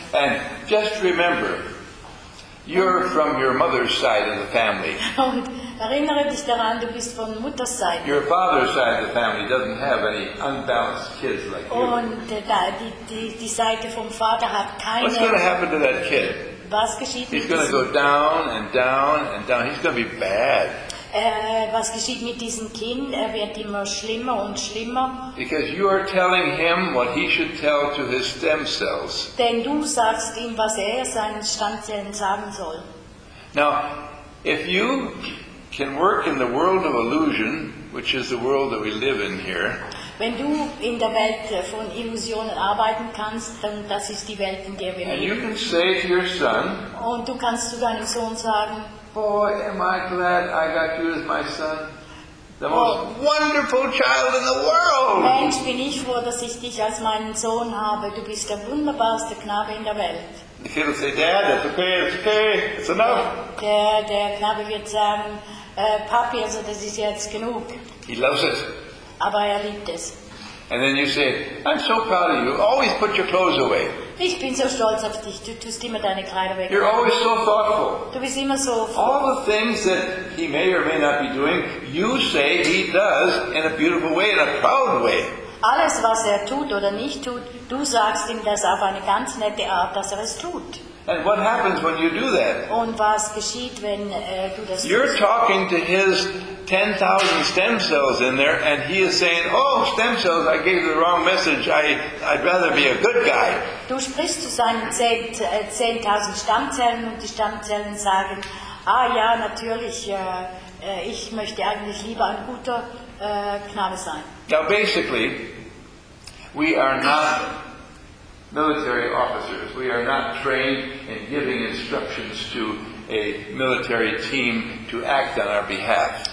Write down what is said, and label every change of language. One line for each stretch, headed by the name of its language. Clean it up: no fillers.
English: And just remember, you're from your mother's side of the family.
German: Und erinnere dich daran, du bist von Mutters Seite.
English: Your father's side of the family doesn't have any unbalanced kids like you.
German: Und die Seite vom Vater hat keine.
English: What's going to happen to that kid?
German: Was geschieht?
English: He's going to go down and down and down. He's going to be bad.
German: Was geschieht mit diesem Kind? Er wird immer schlimmer und schlimmer.
English: Because you are telling him what he should tell to his stem cells.
German: Denn du sagst ihm, was er seinen Stammzellen sagen soll.
English: Now, if you can work in the world of illusion, which is the world that we live in here.
German: Wenn du in der Welt von Illusionen arbeiten kannst, dann das ist die Welt, in der wir leben.
English: And you can say to your son.
German: Und du kannst zu deinem Sohn sagen.
English: Boy, am I glad I got you as my son. The most wonderful child in the world.
German: Mensch, bin ich froh, dass ich dich als meinen Sohn habe. Du bist der wunderbarste Knabe in der Welt.
English: The kid will say, Dad, it's okay, it's enough.
German: Der Knabe wird sagen, Papi, also das ist jetzt genug.
English: He loves it.
German: Aber er liebt es.
English: And then you say, I'm so proud of you. Always put your clothes away.
German: Ich bin so stolz auf dich. Du tust immer deine Kleider weg.
English: You're always so thoughtful.
German: Du bist immer so froh.
English: All the things that he may or may not be doing, you say he does in a beautiful way, in a proud way.
German: Alles, was tut oder nicht tut, du sagst ihm das auf eine ganz nette Art, dass es tut.
English: And what happens when you do that?
German: Und was geschieht, wenn du das?
English: You're
German: tust.
English: Talking to his 10,000 stem cells in there, and he is saying, "Oh, stem cells! I gave the wrong message. I'd rather be a good guy."
German: Du sprichst zu seinen 10,000 Stammzellen, und die Stammzellen sagen, "Ah, ja, natürlich. Ich möchte eigentlich lieber ein guter Knabe sein."
English: Now, basically, we are not military officers. We are not trained in giving instructions to a military team to act on our behalf.